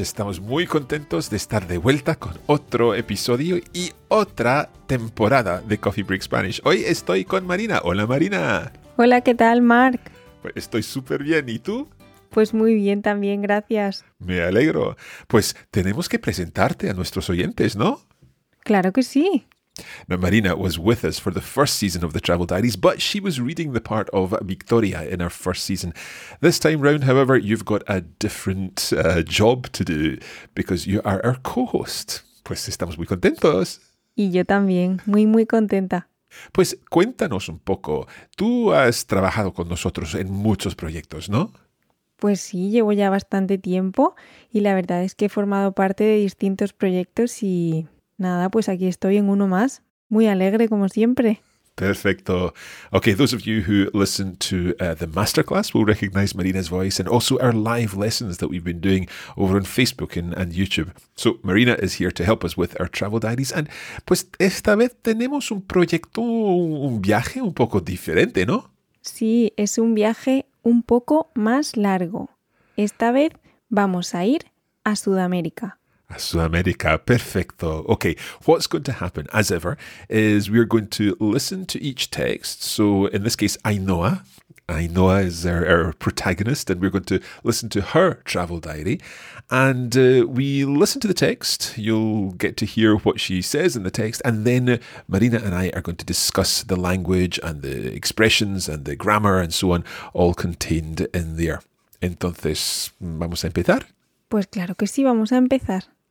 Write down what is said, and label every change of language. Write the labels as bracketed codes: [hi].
[es] Estamos muy contentos de estar de vuelta con otro episodio y otra temporada de Coffee Break Spanish. Hoy estoy con Marina. Hola, Marina. Hola, ¿qué tal, Mark? Pues estoy súper bien. ¿Y tú? Pues muy bien también, gracias. Me alegro. Pues tenemos que presentarte a nuestros oyentes, ¿no? Claro que sí. [en] Now, Marina was with us for the first season of the Travel Diaries, but she was reading the part of Victoria in our first season. This time round, however, you've got a different job to do because you are our co-host. [es] Pues estamos muy contentos. Y yo también, muy, muy contenta. Pues cuéntanos un poco. Tú has trabajado con nosotros en muchos proyectos, ¿no? Pues sí, llevo ya bastante tiempo y la verdad es que he formado parte de distintos proyectos y nada, pues aquí estoy en uno más, muy alegre como siempre. Perfecto. [en] Okay, those of you who listen to the masterclass will recognize Marina's voice and also our live lessons that we've been doing over on Facebook and YouTube. So Marina is here to help us with our travel diaries. [es] And pues esta vez tenemos un proyecto, un viaje un poco diferente, ¿no? Sí, es un viaje un poco más largo. Esta vez vamos a ir a Sudamérica. A Sudamérica, perfecto. [en] Okay, what's going to happen, as ever, is we're going to listen to each text. So in this case, Ainhoa. Ainhoa is our protagonist, and we're going to listen to her travel diary. And we listen to the text. You'll get to hear what she says in the text. And then Marina and I are going to discuss the language and the expressions and the grammar and so on, all contained in there. [es] Entonces, ¿vamos a empezar? Pues claro que sí, vamos a empezar.